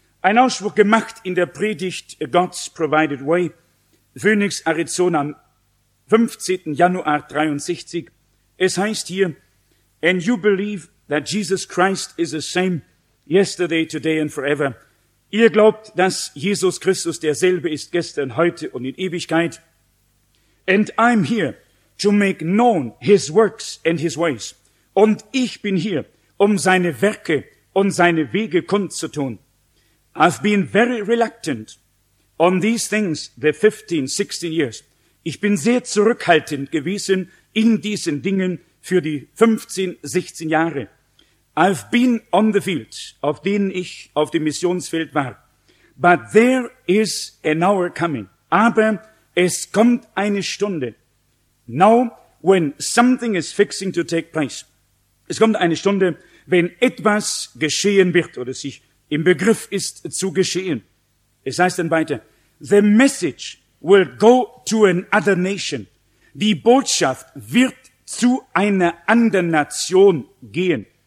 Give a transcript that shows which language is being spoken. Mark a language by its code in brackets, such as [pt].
[de] Ein Ausspruch gemacht in der Predigt God's Provided Way, Phoenix, Arizona, am 15. Januar 63. Es heißt hier, [en] and you believe that Jesus Christ is the same yesterday, today and forever. [de] Ihr glaubt, dass Jesus Christus derselbe ist gestern, heute und in Ewigkeit. [en] And I'm here to make known his works and his ways. [de] Und ich bin hier, um seine Werke und seine Wege kundzutun. [en] I've been very reluctant on these things the 15, 16 years. [de] Ich bin sehr zurückhaltend gewesen in diesen Dingen für die 15, 16 Jahre. [en] I've been on the field, [de] auf denen ich auf dem Missionsfeld war. [en] But there is an hour coming. [de] Aber Es kommt eine Stunde. [en] Now, when something is fixing to take place. [de] Es kommt eine Stunde, wenn etwas geschehen wird oder sich im Begriff ist zu geschehen. Es heißt dann weiter, [en] the message will go to another nation. [de] Die Botschaft wird zu einer anderen Nation gehen.